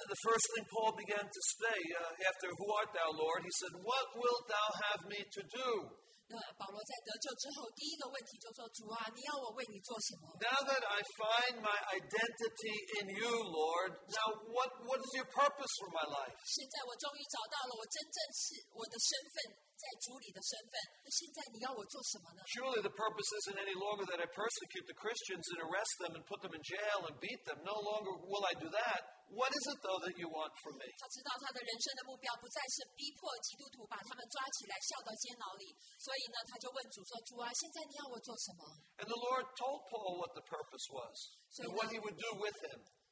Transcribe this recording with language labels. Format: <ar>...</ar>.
<en>the first thing Paul began to say after, "Who art thou, Lord?" He said, "What wilt thou have me to do?"</en> <zh>那保罗在得救之后，第一个问题就说：“主啊，你要我为你做什么？”</zh> <en>Now that I find my identity in you, Lord, now what is your purpose for my life?</en> <zh>现在我终于找到了我真正是我的身份，在主里的身份。那现在你要我做什么呢？</zh> <en>Surely the purpose isn't any longer that I persecute the Christians and arrest them and put them in jail and beat them. No longer will I do that. What is it, though, that you want from me?</en> <zh>他知道他的人生的目标不再是逼迫基督徒把他们抓起来，笑到监牢里。所以呢，他就问主说：“主啊，现在你要我做什么？”</zh> <en>And the Lord told Paul what the purpose was, and what he would do with him.</en>